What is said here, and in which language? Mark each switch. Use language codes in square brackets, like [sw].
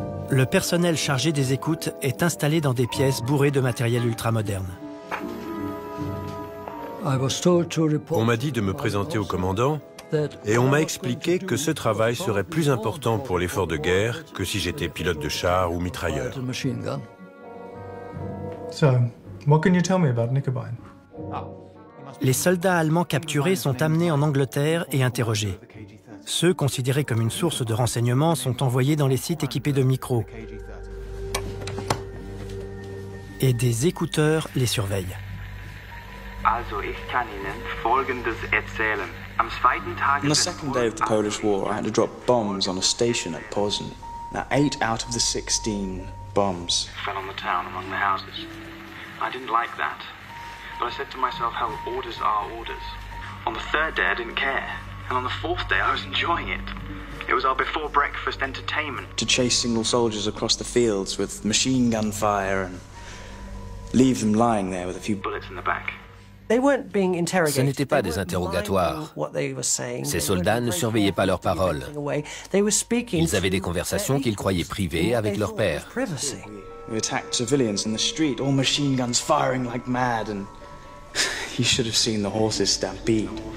[fr] Le personnel chargé des écoutes est installé dans des pièces bourrées de matériel ultramoderne. On m'a dit de me présenter au commandant et on m'a expliqué que ce travail serait plus important pour l'effort de guerre que si j'étais pilote de char ou mitrailleur. [en] So, what can you tell me about Nickerbein? [fr] Les soldats allemands capturés sont amenés en Angleterre et interrogés. Ceux considérés comme une source de renseignements sont envoyés dans les sites équipés de micros. Et des écouteurs les surveillent. [de] Also, ich kann Ihnen Folgendes erzählen. Am zweiten Tag. [en] On the second day of the Polish War, I had to drop bombs on a station at Posen. Now, 8 out of the 16 bombs fell on the town among the houses. I didn't like that, but I said to myself, hell, orders are orders. On the third day, I didn't care, and on the fourth day, I was enjoying it. It was our before-breakfast entertainment. To chase single soldiers across the fields with machine gun fire and leave them lying there with a few bullets in the back. [fr] Ce n'était pas des interrogatoires. Ces soldats ne surveillaient pas leurs paroles. Ils avaient des conversations qu'ils croyaient privées avec leur père. [en] We attacked civilians in the street, all machine guns firing like mad, and you should have seen the horses stampede.